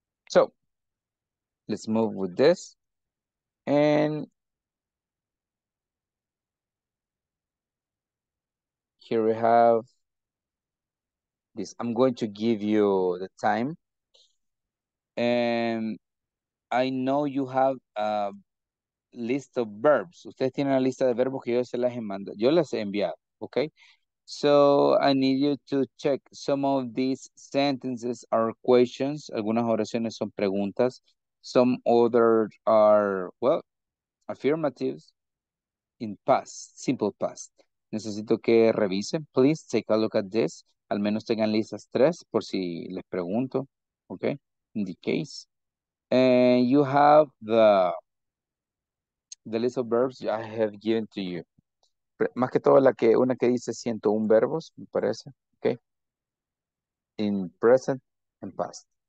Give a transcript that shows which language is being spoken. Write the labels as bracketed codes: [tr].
[en] So, let's move with this. And here we have this. I'm going to give you the time. And I know you have a list of verbs. [es] Ustedes tienen una lista de verbos que yo se las he mandado. Yo las he enviado, okay? [en] So I need you to check some of these sentences are questions. [es] Algunas oraciones son preguntas. [en] Some others are, well, affirmatives in past, simple past. [es] Necesito que revisen. [en] Please take a look at this. [es] Al menos tengan listas tres por si les pregunto, okay? [en] In the case. And you have the list of verbs I have given to you. [es] Más que todo la que, una que dice 101 verbos, me parece, okay? [en] In present and past.